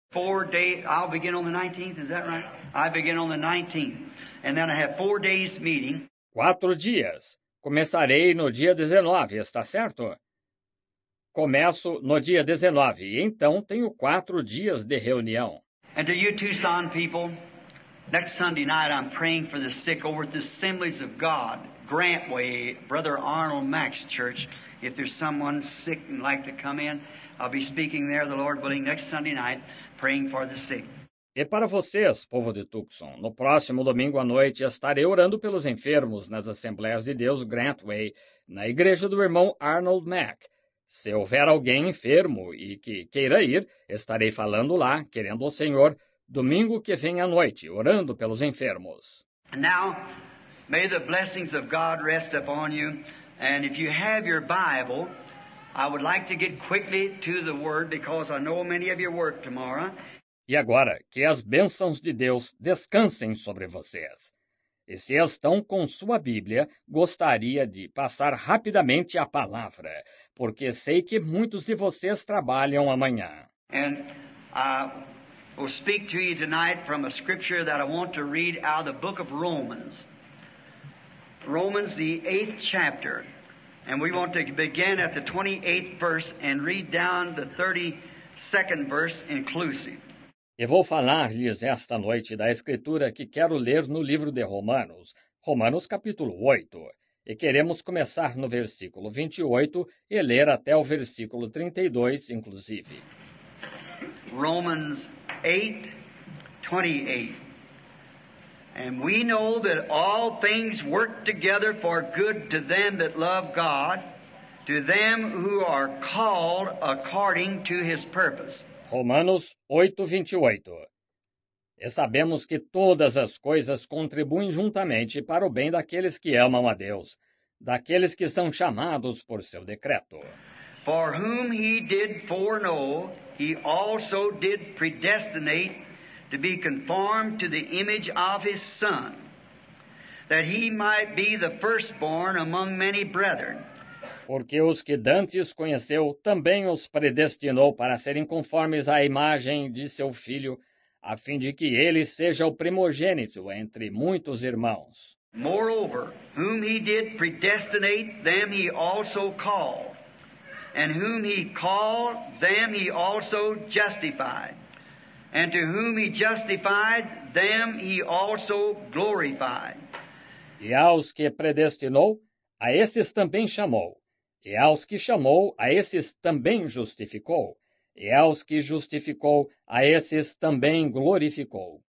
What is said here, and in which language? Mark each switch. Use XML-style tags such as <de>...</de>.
<en>4 days, I'll begin on the 19th, is that right? I begin on the 19th, and then I have 4 days meeting.</en> <pt>4 dias. Começarei no dia 19, está certo? Começo no dia 19, e então tenho 4 dias de reunião.</pt> <en>And to you Tucson people, next Sunday night I'm praying for the sick over at the Assemblies of God, Grantway, Brother Arnold Max Church. If there's someone sick and like to come in, I'll be speaking there, the Lord willing, next Sunday night, praying for the sick.</en> <pt>E para vocês, povo de Tucson, no próximo domingo à noite estarei orando pelos enfermos nas Assembleias de Deus Grantway, na igreja do irmão Arnold Mack. Se houver alguém enfermo e que queira ir, estarei falando lá, querendo o Senhor, domingo que vem à noite, orando pelos enfermos.</pt> <en>Now, may the blessings of God rest upon you. And if you have your Bible, I would like to get quickly to the Word, because I know many of you work tomorrow.</en> <pt>E agora, que as bênçãos de Deus descansem sobre vocês. E se estão com sua Bíblia, gostaria de passar rapidamente a palavra, porque sei que muitos de vocês trabalham amanhã.</pt> <en>And I will speak to you tonight from a scripture that I want to read out of the book of Romans. Romans, the 8th chapter. And we want to begin at the 28th verse and read down the 32nd verse inclusive.</en> <pt>E vou falar-lhes esta noite da Escritura que quero ler no livro de Romanos, Romanos capítulo 8. E queremos começar no versículo 28 e ler até o versículo 32, inclusive.</pt> <en>Romans 8:28. And we know that all things work together for good to them that love God, to them who are called according to his purpose.</en> <pt>Romanos 8:28. E sabemos que todas as coisas contribuem juntamente para o bem daqueles que amam a Deus, daqueles que são chamados por seu decreto.</pt> <en>For whom he did foreknow, he also did predestinate to be conformed to the image of his Son, that he might be the firstborn among many brethren.</en> <pt>Porque os que dantes conheceu também os predestinou para serem conformes à imagem de seu Filho, a fim de que ele seja o primogênito entre muitos irmãos.</pt> <en>Moreover, whom he did predestinate, them he also called. And whom he called, them he also justified. And to whom he justified, them he also glorified.</en> <pt>E aos que predestinou, a esses também chamou. E aos que chamou, a esses também justificou. E aos que justificou, a esses também glorificou.</pt>